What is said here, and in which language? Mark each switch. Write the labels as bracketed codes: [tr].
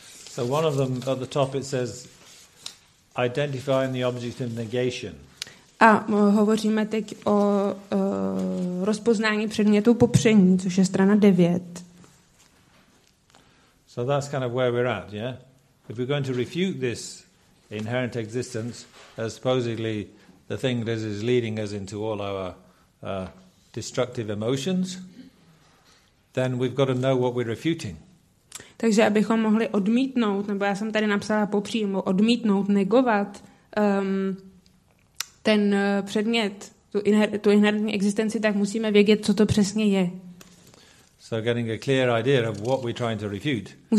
[en] So one of them at the top it says identifying the object in negation. [cs] A hovoříme teď o rozpoznání předmětu popření, což je strana 9. [en] So that's kind of where we're at, yeah? If we're going to refute this inherent existence as supposedly the thing that is leading us into all our destructive emotions, then we've got to know what we're refuting. [cs] Takže abychom mohli odmítnout, nebo já jsem tady napsala popřímo, odmítnout, negovat ten předmět, tu inherentní existenci, tak musíme vědět, co to přesně je. [en] So getting a clear idea of what we're trying to refute.